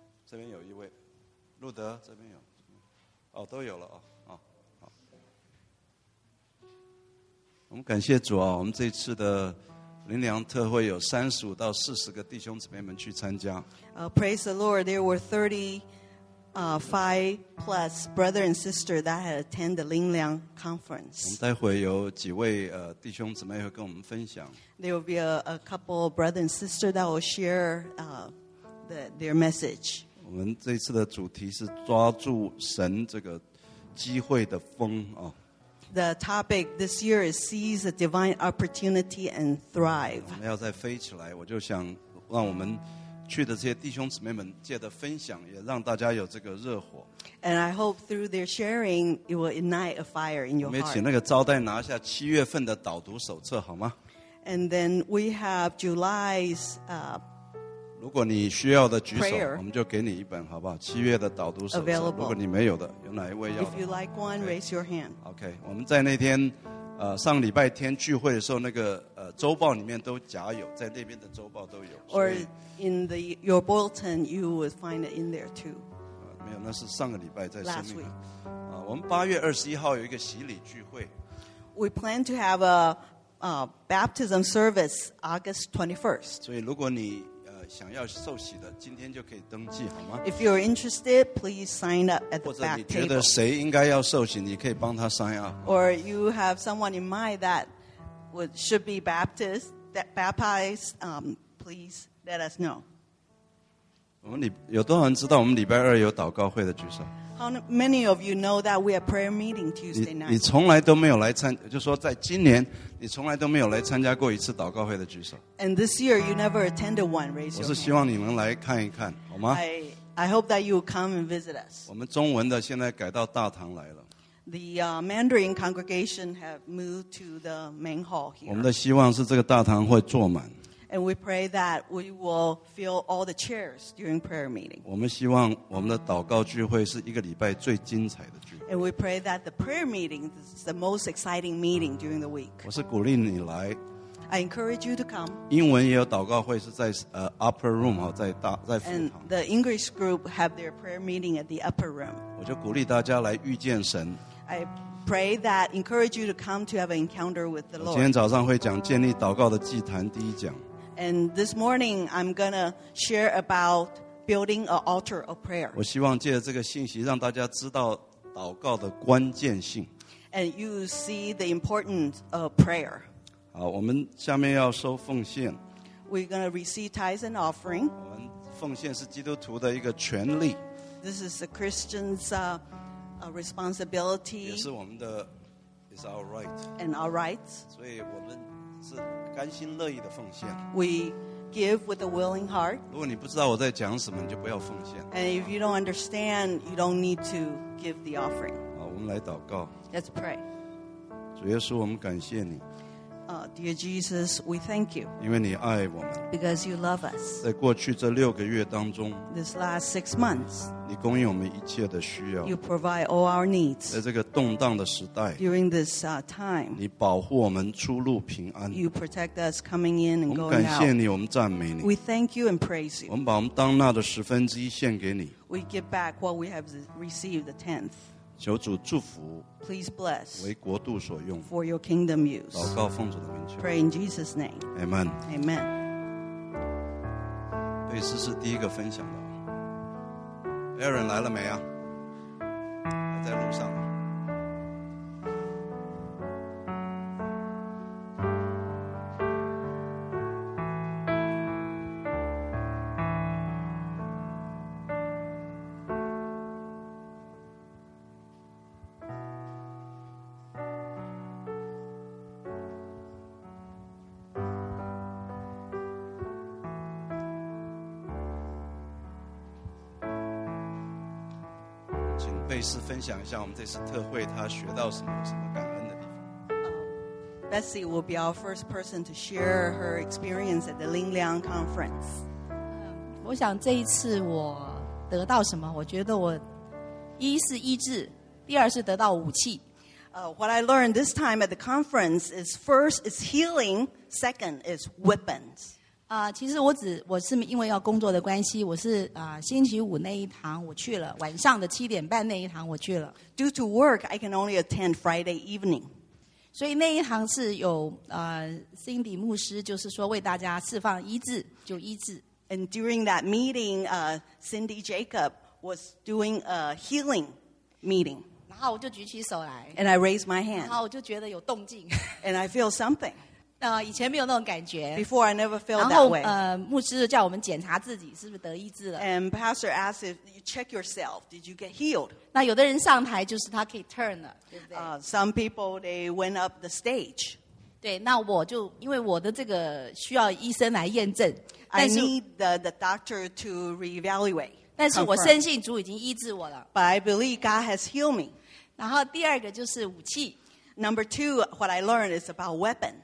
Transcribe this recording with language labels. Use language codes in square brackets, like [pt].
[zh] 这边有一位，路德这边有，哦，都有了哦，哦，好。我们感谢主啊，我们这次的灵粮特会有35-40个弟兄姊妹们去参加。 [en] Praise the Lord, there were 35 plus brother and sister that had attended the 灵粮 conference. [zh] 我们待会有几位弟兄姊妹会跟我们分享。 [en] There will be a couple brother and sister that will share their message. [zh] 我们这次的主题是抓住神这个机会的风啊。 [en] The topic this year is seize the divine opportunity and thrive. [zh] 我们要再飞起来，我就想让我们去的这些弟兄姊妹们借着分享，也让大家有这个热火。 [en] And I hope through their sharing, it will ignite a fire in your heart. [zh] 我们请那个招待拿下七月份的导读手册好吗 [en] ？And then we have July's. [zh] 如果你需要的举手，我们就给你一本，好不好？七月的导读手册。如果你没有的，有哪一位要 [en] ？If you like one, raise your hand. [zh] OK， 我们在那天，上礼拜天聚会的时候，那个周报里面都夹有，在那边的周报都有。 [en] Or in the your bulletin, you would find it in there too. [zh] 没有，那是上个礼拜在生命。 [en] Last week. [zh] 我们8月21号有一个洗礼聚会。 [en] We plan to have a baptism service August 21st. [zh] 所以如果你想要受洗的，今天就可以登记，好吗 [en] ？If you're interested, please sign up at the back table. [zh] 或者你觉得谁应该要受洗，你可以帮他 [en] sign up. Or you have someone in mind that would should be baptized, that baptized, please let us know. [zh] 我们有多少人知道我们礼拜二有祷告会的举手 [en] ？How many of you know that we have prayer meeting Tuesday night? [zh] 你从来都没有来参，就说在今年。你从来都没有来参加过一次祷告会的举手。 [en] And this year you never attended one. Raise your hand. [zh] 我是希望你能来看一看，好吗 [en] ？I hope that you will come and visit us. [zh] 我们中文的现在改到大堂来了。 [en] The Mandarin congregation have moved to the main hall here. [zh] 我们的希望是这个大堂会坐满。 [en] And we pray that we will fill all the chairs during prayer meeting. [zh] 我们希望我们的祷告聚会是一个礼拜最精彩的聚会。 [en] And we pray that the prayer meeting is the most exciting meeting during the week. [zh] 我是鼓励你来。 [en] I encourage you to come. [zh] 英文也有祷告会是在upper room 在副堂。 [en] And the English group have their prayer meeting at the upper room. [zh] 我就鼓励大家来遇见神。 [en] I pray that encourage you to come to have an encounter with the Lord. [zh] 今天早上会讲建立祷告的祭坛第一讲。 [en] And this morning I'm gonna share about building an altar of prayer. [zh] 我希望借着这个信息让大家知道。祷告的关键性。 [en] And you see the importance of prayer. [zh] 好，我们下面要收奉献。 [en] We're going to receive tithes and offering. [zh] 我们奉献是基督徒的一个权利。 [en] This is a Christian's responsibility. [zh] 也是我们的 ， [en] is our right. And our rights. [zh] 所以我们是甘心乐意的奉献。 [en] We give with a willing heart. [zh] 如果你不知道我在讲什么，你就不要奉献。 [en] And if you don't understand, you don't need to. Give the offering. [zh] 好，我们来祷告。 [en] Let's pray. [zh] 主耶稣，我们感谢你。 [en] Dear Jesus, we thank you. [zh] 因为你爱我们。 [en] Because you love us. [zh] 在过去这六个月当中 [en] ，This last 6 months. [zh] 你供应我们一切的需要。 [en] You provide all our needs. [zh] 在这个动荡的时代 [en] ，During this time. [zh] 你保护我们出入平安。 [en] You protect us coming in and going out. [zh] 我们感谢你，我们赞美你。 [en] We thank you and praise you. [zh] 我们把我们当纳的十分之一献给你。 [en] We give back what we have received, the tenth. [zh] 求主祝福 [en] Please bless. [zh] 为国度所用 [en] For your kingdom use. [zh] 祷告奉主的名求 [en] Pray in Jesus' name. Amen. Amen. [zh] 贝斯是第一个分享的。Aaron 来了没啊？还在路上。贝斯分享一下我们这次特会他学到什么有什么感恩的地方。 [en] Bessie will be our first person to share her experience at the Ling Liang Conference. [zh] 我想这一次我得到什么，我觉得我一是医治，第二是得到武器。 [en] What I learned this time at the conference is first is healing, second is weapons. [zh] 其实我是因为要工作的关系，我是星期五那一堂我去了，晚上的七点半那一堂我去了。 [en] Due to work, I can only attend Friday evening. [zh] 所以那一堂是有Cindy 牧师就是说为大家释放医治就医治。 [en] And during that meeting, Cindy Jacob was doing a healing meeting. [zh] 然后我就举起手来。 [en] And I raised my hand. [zh] 然后我就觉得有动静。 [en] And I feel something. [zh] 以前没有那种感觉。 [en] Before I never felt that way. [zh] 然后牧师叫我们检查自己是不是得医治了。 [en] And pastor asked if you check yourself, did you get healed? [zh] 那有的人上台就是他可以 turn 了，对不对？ [en] Some people, they went up the stage. [zh] 对，那我就，因为我的这个需要医生来验证。 [en] I need the doctor to reevaluate. [zh] 但是我深信主已经医治我了。 [en] But I believe God has healed me. [zh] 然后第二个就是武器。 [en] Number two, what I learned is about weapon.